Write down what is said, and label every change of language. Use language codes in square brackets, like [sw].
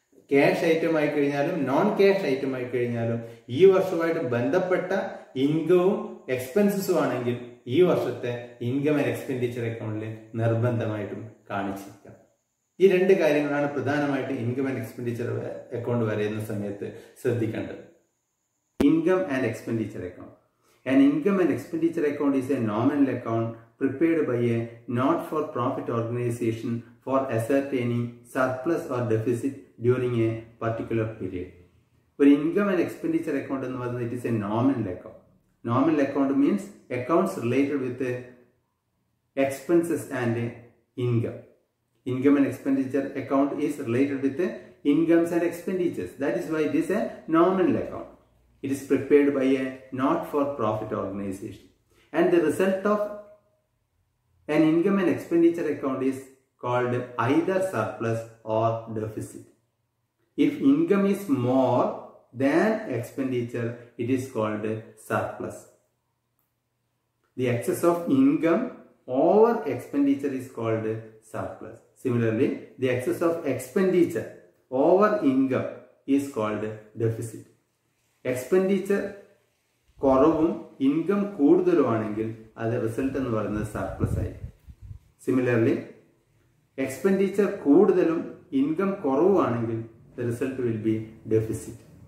[ml] Cash item ആയി കഴിഞ്ഞാലും non cash item ആയി കഴിഞ്ഞാലും ഈ വർഷവുമായിട്ട് ബന്ധപ്പെട്ട ഇൻകവും എക്സ്പെൻസും ആണെങ്കിൽ ഈ വർഷത്തെ ഇൻകം ആൻഡ് എക്സ്പെൻഡിച്ചർ അക്കൗണ്ടിൽ നിർബന്ധമായിട്ടും കാണിച്ചിരിക്കണം. ഈ രണ്ട് കാര്യങ്ങളാണ് പ്രധാനമായിട്ടും ഇൻകം ആൻഡ് എക്സ്പെൻഡിച്ചർ അക്കൗണ്ട് വരയുന്ന സമയത്ത് ശ്രദ്ധിക്കേണ്ടത്. Income and expenditure account. [en] An income and expenditure account is a nominal account prepared by a not-for-profit organization for ascertaining surplus or deficit during a particular period. For income and expenditure account, it is a nominal account. Nominal account means accounts related with expenses and income. Income and expenditure account is related with incomes and expenditures. That is why it is a nominal account. It is prepared by a not-for-profit organization. And the result of an income and expenditure account is called either surplus or deficit. If income is more than expenditure, it is called surplus. The excess of income over expenditure is called surplus. Similarly, the excess of expenditure over income is called deficit. [ml] Expenditure കുറവും income കൂടുതലും ആണെങ്കിൽ അത് result എന്ന് പറയുന്നത് surplus ആയി. Similarly expenditure കൂടുതലും income കുറവുമാണെങ്കിൽ [en] The result will be deficit.